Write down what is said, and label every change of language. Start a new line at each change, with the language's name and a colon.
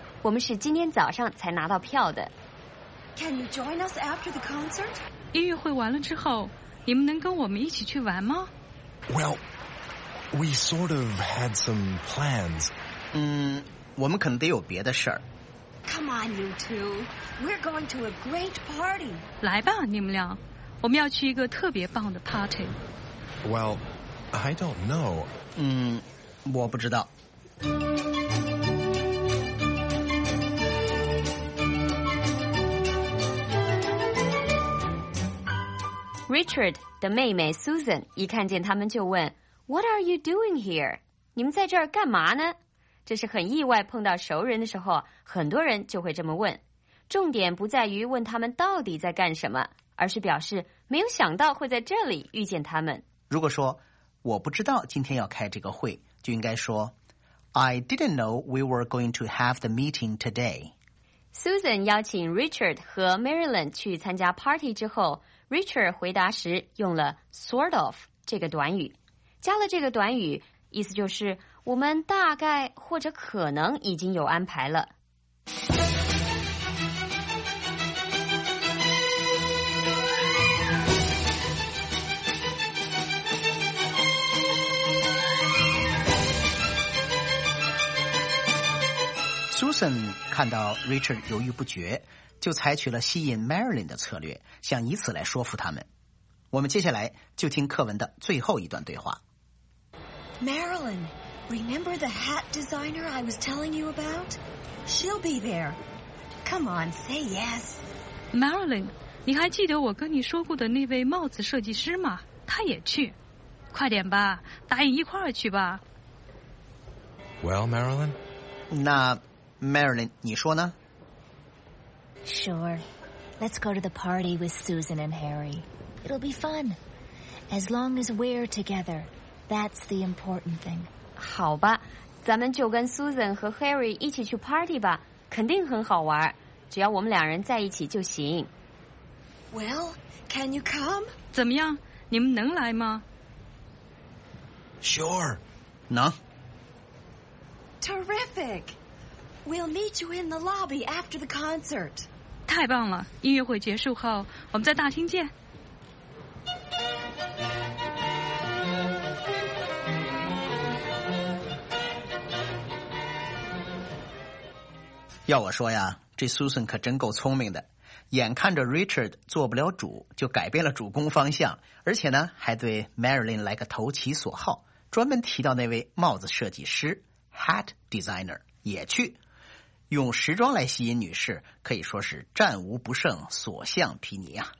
Chinese: 我们是今天早上才拿到票的。
English: Can you join us after the concert?
Chinese: 音乐会完了之后，你们能跟我们一起去玩吗？
English: Well, we sort of had some plans.
Chinese: 我们可能得有别的事儿。
English: Come on, you two. We're going to a great party.
Chinese: 来吧，你们俩，我们要去一个特别棒的 party.
English: Well,I don't know.
Chinese: 我不知道。 Richard 的妹妹 Susan 一看见他们就问
English: What are you doing here?
Chinese: 你们在这儿干嘛呢？这是很意外，碰到熟人的时候，很多人就会这么问。重点不在于问他们到底在干什么，而是表示没有想到会在这里遇见他们。如果说我不知道今天要开这个会，就应该说
English: I didn't know we were going to have the meeting today.
Chinese: Susan 邀请 Richard 和 Marilyn 去参加 party 之后， Richard 回答时用了 sort of 这个短语，加了这个短语意思就是我们大概或者可能已经有安排了。 Susan 看到 Richard 犹豫不决，就采取了吸引 Marilyn 的策略，想以此来说服他们。我们接下来就听课文的最后一段对话。
English: Marilyn, remember the hat designer I was telling you about? She'll be there. Come on, say yes.
Chinese: Marilyn, 你还记得我跟你说过的那位帽子设计师吗？他也去。快点吧，答应一块儿去吧。
English: Well, Marilyn?
Chinese: 那 Marilyn, 你说呢？
English: Sure. Let's go to the party with Susan and Harry. It'll be fun. As long as we're together. That's the important thing.
Chinese: 好吧，咱们就跟 Susan 和 Harry 一起去 party 吧，肯定很好玩，只要我们两人在一起就行。
English: Well, can you come?
Chinese: 怎么样，你们能来吗？
English: Sure.
Chinese: 能。
English: Terrific. We'll meet you in the lobby after the concert.
Chinese: 太棒了，音乐会结束后，我们在大厅见。要我说呀，这 Susan 可真够聪明的，眼看着 Richard 做不了主，就改变了主攻方向，而且呢还对 Marilyn 来个投其所好，专门提到那位帽子设计师 Hat Designer 也去，用时装来吸引女士，可以说是战无不胜，所向披靡啊。